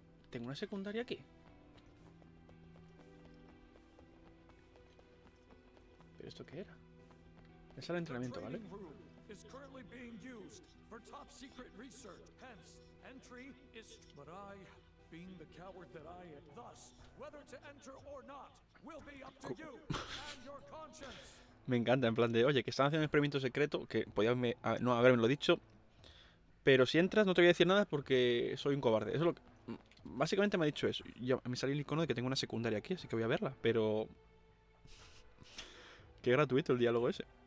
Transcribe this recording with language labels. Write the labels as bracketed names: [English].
[Spanish] ¿Tengo una secundaria aquí? ¿Pero esto qué era? Es el entrenamiento, ¿vale? [English] Is currently being used for top secret research. Hence, entry is. But I, being the coward that I am, thus, whether to enter or not, will be up to you and your conscience. [Spanish] Me encanta, en plan de, oye, que están haciendo un experimento secreto, que podías no haberme lo dicho, pero si entras no te voy a decir nada porque soy un cobarde. Eso es lo que, básicamente me ha dicho eso. Yo, me salió el icono de que tengo una secundaria aquí, así que voy a verla, pero qué gratuito el diálogo ese.